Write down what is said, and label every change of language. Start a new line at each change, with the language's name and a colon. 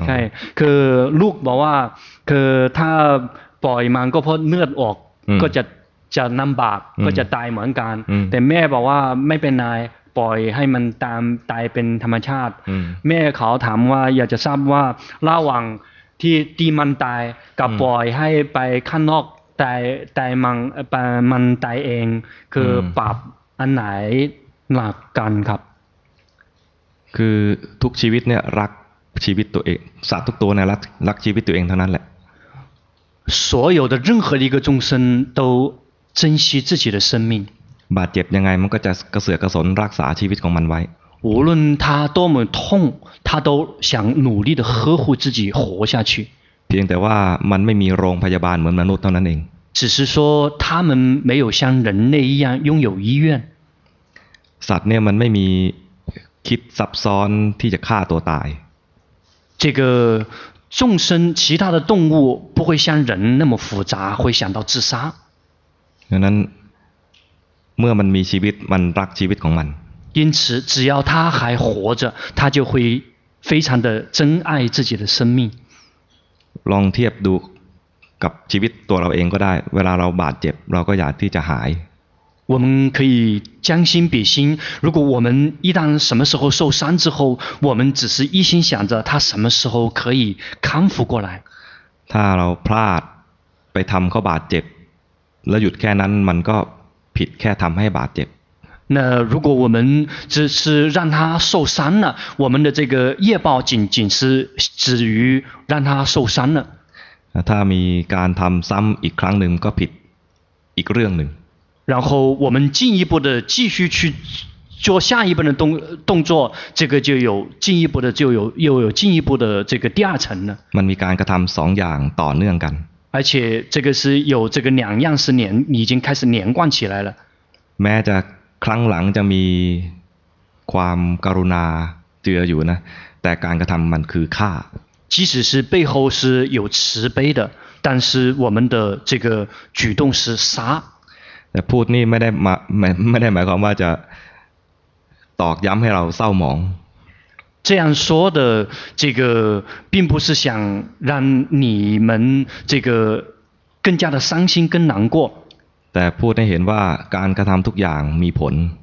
Thai: ใช่คือลูกบอกว่าคือถ้าปล่อยมันก็เพราะเลือดออกก็จะลำบากก็จะตายเหมือนกันแต่แม่บอกว่าไม่เป็นไรปล่อยให้มันตามตายเป็นธรรมชาติแม่เขาถามว่าอยากจะทราบว่าระหว่างที่ตีมันตายกับปล่อยให้ไปข้างนอกตายมันไปมันตายเองคือปรับอันไหนหนักกันครับ คือทุกชีวิตเนี่ยรักชีวิตตัวเองสัตว์ทุกตัวเนี่ยรักชีวิตตัวเองทั้งนั้นแหละ
Chinese: 所有的任何一个众生都珍惜自己的生命。
Thai: บาดเจ็บยังไงมันก็จะกระเสือกกระสนรักษาชีวิตของมันไว้
Chinese: 无论他多么痛，他都想努力的呵护自己活下去。
Thai: เพียงแต่ว่ามันไม่มีโรงพยาบาลเหมือนมนุษย์เท่านั้นเอง。
Chinese: 只是说他们没有像人类一样拥有医院。
Thai: สัตว์เนี่ยมันไม่มีคิดซับซ้อนที่จะฆ่าตัวตาย。
Chinese: 这个众生其他的动物不会像人那么复杂，会想到自杀。
Thai: ดังนั้นเมื่อมันมีชีวิตมันรักชีวิตของมัน。
Chinese: 因此只要他还活着他就会非常的珍爱自己的生命
Thai: ลองเทียบดูกับชีวิตตัวเราเองก็ได้เวลาเราบาดเจ็บเราก็อยากที่จะหาย
Chinese: 我们可以将心比心如果我们一旦什么时候受伤之后我们只是一心想着他什么时候可以康复过来
Thai: ถ้าเราพลาดไปทำเขาบาดเจ็บแล้วหยุดแค่นั้นมันก็ผิดแค่ทำให้บาดเจ็บ
Chinese: 那如果我们只是让他受伤了，我们的这个业报仅是止于让他受伤了。
Thai: ถ้ามีการทำซ้ำอีกครั้งหนึ่งก็ผิดอีกเรื่องหนึ่ง。
Chinese: 然后我们进一步的继续去做下一步的动作，这个就有进一步的又有进一步的这个第二层了。
Thai: มันมีการกระทำสองอย่างต่อเนื่องกัน。
Chinese: 而且这个是有这个两样是连已经开始连贯起来了。
Thai: แม้จะครั้งหลังจะมีความกรุณาเจืออยู่นะแต่การกระทำมันคือฆ่า
Chinese: 即使是背后是有慈悲的但是我们的这个举动是杀
Thai: แต่พูดนี่ไม่ได้หมายความว่าจะตอกย้ำให้เราเศร้าหมอง
Chinese: 这样说的这个并不是想让你们这个更加的伤心更难过
Thai: แต่พูดให้เห็นว่าการกระทำทุกอย่างมีผล